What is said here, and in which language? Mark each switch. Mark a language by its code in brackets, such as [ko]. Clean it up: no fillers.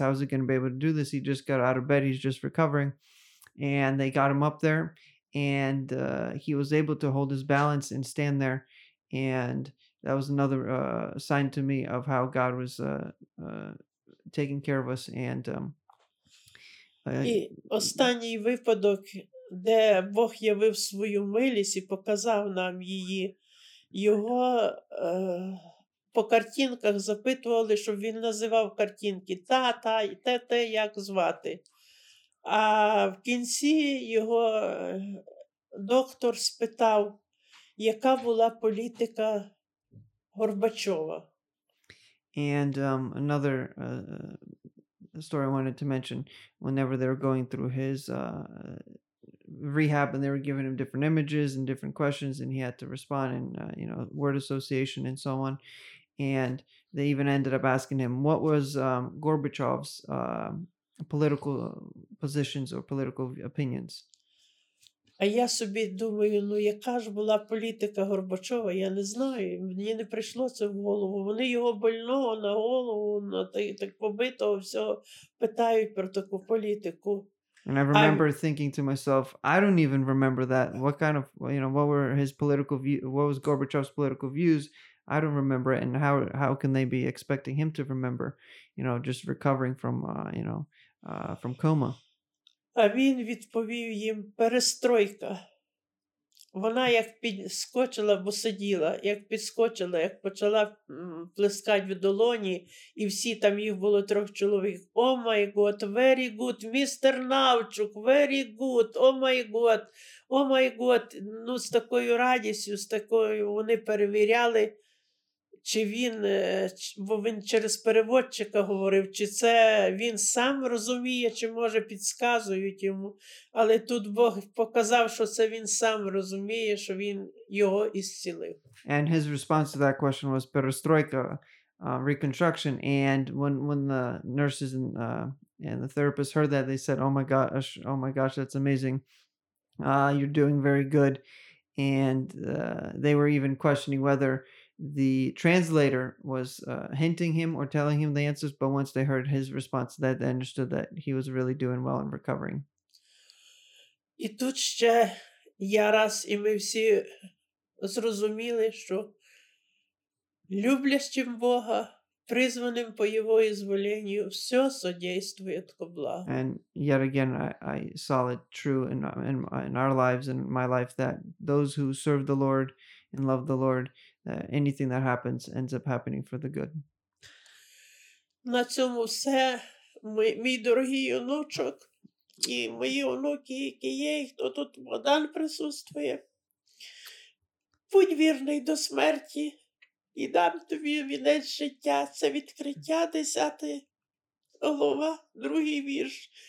[en] How is he going to be able to do this? He just got out of bed. He's just recovering. And they got him up there. And he was able to hold his balance and stand there. And that was another sign to me of how God was taking care of us. And [uk] останній випадок, де Бог явив свою милість і показав нам її, його... По картинках запитували, щоб він називав картинки та і те, як звати. А в кінці його доктор спитав, яка була політика Горбачова. [en] And another story I wanted to mention, whenever they were going through his rehab, and they were giving him different images and different questions, and he had to respond in you know, word association and so on. And they even ended up asking him, what was Gorbachev's political positions or political opinions? [uk] А я собі думаю, ну яка ж була політика Горбачова, я не знаю, мені не прийшло це в голову. Вони його больного на голову, на так побитого всього питають про таку політику. [en] And I remember thinking to myself, I don't even remember that. What kind of, you know, what were his political views, what was Gorbachev's political views? I don't remember it, and how can they be expecting him to remember, you know, just recovering from, you know, from coma? [uk] А він відповів їм, перестройка. Вона як підскочила, бо сиділа, як підскочила, як почала плескати в долоні, і всі там, їх було 3 чоловік. [en] О май год, very good, містер Навчук, very good, о май год, о май год. [uk] Ну, з такою радістю, з такою, вони перевіряли, чи він, бо він через переводчика говорив, чи це він сам розуміє, чи може підказують йому. Але тут Бог показав, що це він сам розуміє, що він його ісцілив. [en] And his response to that question was перестройка, reconstruction. And when the nurses and the therapist heard that, they said, oh my gosh, that's amazing. You're doing very good. And they were even questioning whether the translator was hinting him or telling him the answers, but once they heard his response, that they understood that he was really doing well and recovering. [uk] І тут ще я раз, і ми всі зрозуміли, що люблячим Бога, призваним по Його ізволенню, все содействує ко благу. [en] And yet again, I saw it true in our lives, in my life, that those who serve the Lord and love the Lord, anything that happens ends up happening for the good. [uk] На цьому все. мій дорогий онучок і мої онуки, які є, хто тут Богдан присутствує. Будь вірний до смерті і дам тобі вінець життя. Це відкриття, 10 глава, 2 вірш.